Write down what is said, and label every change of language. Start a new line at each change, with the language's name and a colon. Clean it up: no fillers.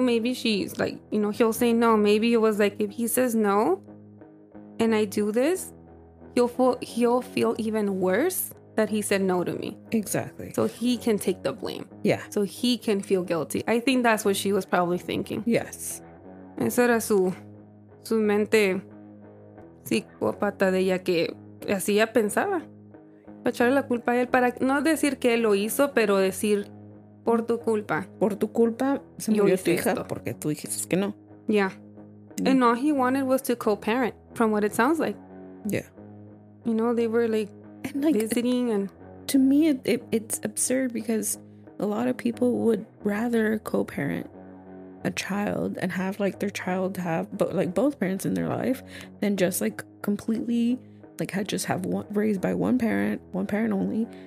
English: Maybe she's like, you know, he'll say no. Maybe it was like, if he says no and I do this, He'll feel even worse that he said no to me. Exactly. So he can take the blame. Yeah. So he can feel guilty. I think that's what she was probably thinking. Yes.
Spanish: Esa era su mente psicópata de ella, que así ya pensaba. Echarle la culpa a él para no decir que él lo hizo, pero decir por tu culpa. Por tu culpa se murió tu hija porque tú dijiste que no.
English: Yeah. And all he wanted was to co-parent, from what it sounds like. Yeah. You know, they were, like visiting, and... To me, it's absurd, because a lot of people would rather co-parent a child and have, like, their child have, like, both parents in their life than just, like, completely, like, just have one raised by one parent only.